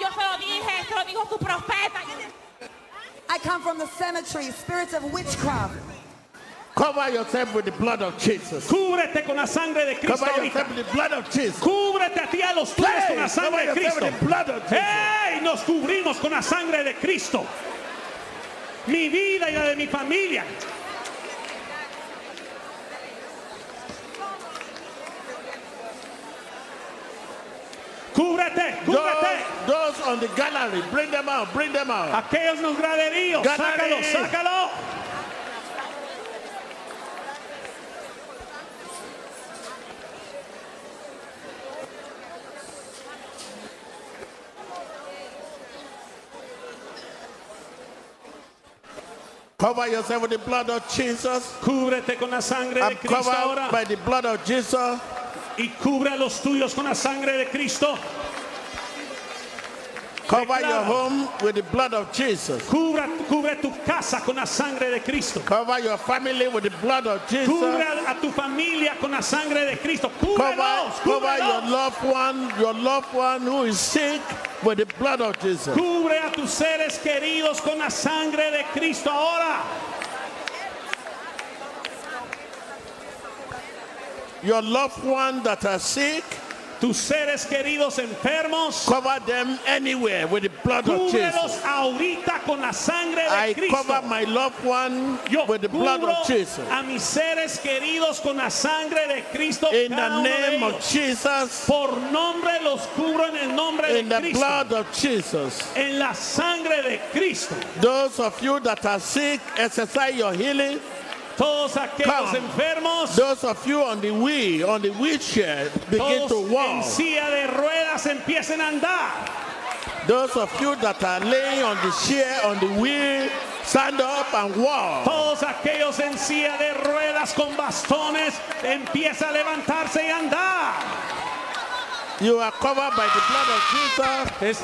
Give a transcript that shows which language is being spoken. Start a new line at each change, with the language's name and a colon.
Spanish: Yo se lo dije, se lo dijo su profeta.
English: I come from the cemetery, spirits of witchcraft. Cover yourself with the blood of Jesus.
Spanish: Cúbrete con la sangre de Cristo.
English: Cover yourself with the blood of Jesus.
Spanish: Cúbrete a ti a los tuyos con la sangre de Cristo.
English: Cover yourself with the blood of Jesus.
Spanish: Hey, nos cubrimos con la sangre de Cristo. Mi vida y la de mi familia.
English: those on the gallery, bring them out, bring them out.
Spanish: Aquellos en el graderío, sácalo, sácalo.
English: Cover yourself with the blood of Jesus.
Spanish: Cúbrete con la sangre de Cristo ahora.
English: I'm covered by the blood of Jesus.
Spanish: Y cubre los tuyos con la sangre de Cristo.
English: Cover your home with the blood of Jesus.
Spanish: Cubre tu casa con la sangre de Cristo.
English: Cover your family with the blood of Jesus.
Spanish: Cubre a tu familia con la sangre de Cristo.
English: Cover your loved one who is sick with the blood of Jesus.
Spanish: Cubre a tus seres queridos con la sangre de Cristo ahora.
English: Your loved one that are sick,
Spanish: tus seres queridos enfermos,
English: cover them anywhere with the blood of Jesus.
Spanish: Cúbrelos ahorita con la sangre de Cristo.
English: I cover my loved one
Spanish: yo
English: with the blood of Jesus.
Spanish: A mis seres queridos con la sangre de Cristo.
English: In the name of Jesus.
Spanish: Por nombre los cubro en el nombre de Cristo.
English: In the blood of Jesus.
Spanish: En la sangre de Cristo.
English: Those of you that are sick, exercise your healing.
Spanish: Todos aquellos enfermos,
English: those of you on the wheelchair, begin to walk.
Spanish: En silla de ruedas empiecen a andar.
English: Those of you that are laying on the chair, on the wheel, stand up and walk.
Spanish: Todos aquellos en silla de ruedas con bastones empieza a levantarse y andar.
English: You are covered by the blood of Jesus.